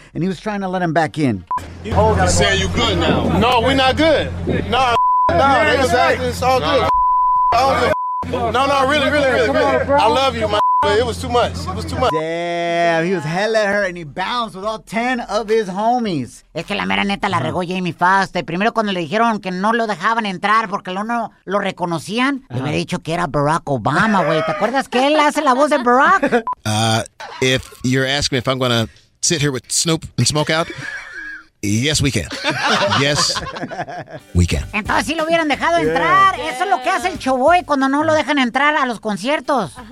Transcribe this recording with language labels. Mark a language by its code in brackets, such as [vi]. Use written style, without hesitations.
[en] And he was trying to let him back in. You said you good now. No, we're not good. No, it's all good. No, really. I love you, man. It was too much. Damn, he was hella hurt and he bounced with all 10 of his homies. [es] Es que la mera neta la regó Jamie Foxx. Primero cuando le dijeron que no lo dejaban entrar porque no lo reconocían, le había dicho que era Barack Obama, güey. ¿Te acuerdas que él hace la voz de Barack? [en] If you're asking me if I'm going to sit here with Snoop and smoke out, Yes, we can. [es] Entonces sí lo hubieran dejado entrar. Yeah. Eso es lo que hace el Choboy cuando no lo dejan entrar a los conciertos.